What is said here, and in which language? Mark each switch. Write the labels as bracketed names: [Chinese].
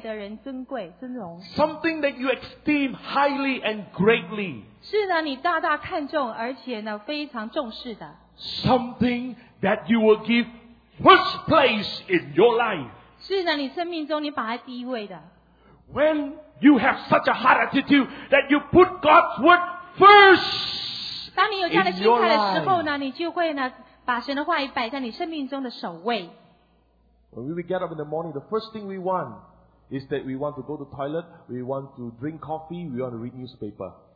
[Chinese] 这高贵的意思就是说呢，某一种东西呢，配得人尊贵尊荣。 [English] Something that you esteem highly and greatly。 [Chinese] 是呢，你大大看重，而且呢，非常重视的。 [English] Something that you will give。 First place in your life. [Chinese] 是的，你生命中你把它第一位的。 [English] When you have such a heart attitude that you put God's word first. [Chinese] 当你有这样的心态的时候呢，你就会呢把神的话语摆在你生命中的首位。 [English] When we get up in the morning, the first thing we want is that we want to go to the toilet, we want to drink coffee, we want to read newspaper.